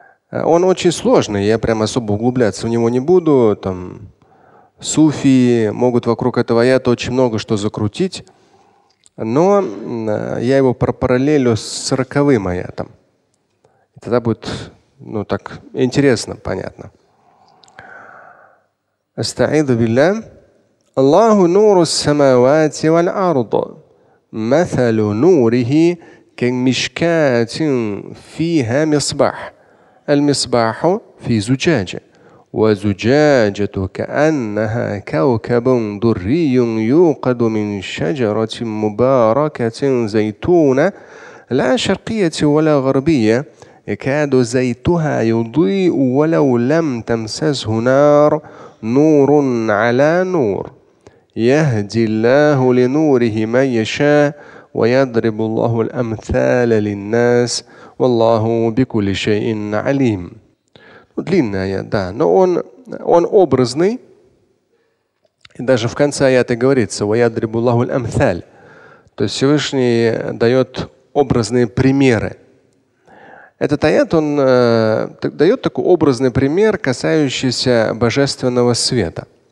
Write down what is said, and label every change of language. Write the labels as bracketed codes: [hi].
[ru] Он очень сложный, я прям особо углубляться в него не буду. Там, суфии могут вокруг этого аята очень много что закрутить. Но я его пропараллелю с 40-м аятом. Тогда будет, ну, так интересно, понятно. [ar] أستعيذ بالله الله نور السماوات والأرض مثل نوره كمشكاة فيها مصباح المصباح في زجاجة وزجاجة كأنها كوكب دري يوقد من شجرة مباركة زيتونة لا شرقية ولا غربية يكاد زيتها يضيء ولو لم تمسسه نار نور على نور يهدي الله لنوره من يشاء ويضرب الله الأمثال للناس والله بكل شيء عليم. [ru] Длинный аят, да, но он образный. И даже в конце аята говорится: [ar] ويضرب الله الأمثال. [ru] То есть Всевышний дает образные примеры. Этот аят, он дает такой образный пример, касающийся божественного света.